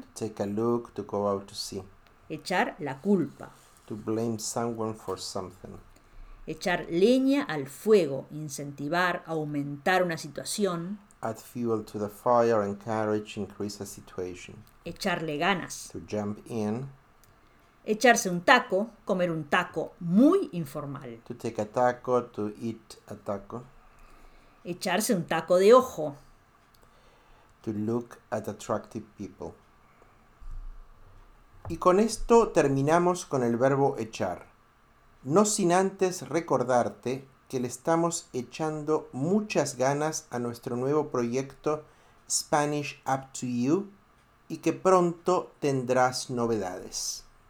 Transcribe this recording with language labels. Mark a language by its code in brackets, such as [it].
[en] To take a look, to go out to see. [es] Echar la culpa. [en] To blame someone for something. [es] Echar leña al fuego, incentivar, aumentar una situación. [en] Add fuel to the fire, encourage, increase the situation. [es] Echarle ganas. [en] To jump in. [es] Echarse un taco, comer un taco muy informal. [en] To take a taco, to eat a taco. [es] Echarse un taco de ojo. [en] To look at attractive people. [es] Y con esto terminamos con el verbo echar. No sin antes recordarte que le estamos echando muchas ganas a nuestro nuevo proyecto Spanish Up to You y que pronto tendrás novedades.